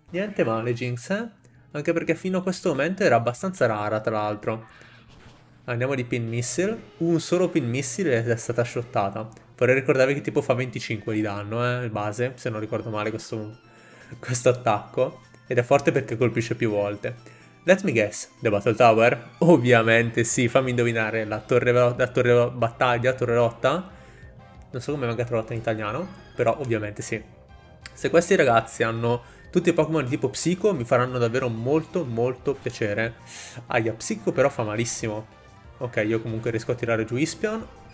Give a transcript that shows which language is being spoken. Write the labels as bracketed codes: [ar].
[it] Niente male, Jinx, eh? Anche perché fino a questo momento era abbastanza rara, tra l'altro. Andiamo di Pin Missile. Un solo Pin Missile ed è stata shottata. Vorrei ricordarvi che tipo fa 25 di danno, eh? Base, se non ricordo male questo attacco. Ed è forte perché colpisce più volte. [en] Let me guess, the Battle Tower? [it] Ovviamente sì, fammi indovinare. La torre battaglia, torre rotta? Non so come venga tradotta in italiano, però ovviamente sì. Se questi ragazzi hanno tutti i Pokémon di tipo psico, mi faranno davvero molto molto piacere. Aia, psico però fa malissimo. Ok, io comunque riesco a tirare giù Espeon.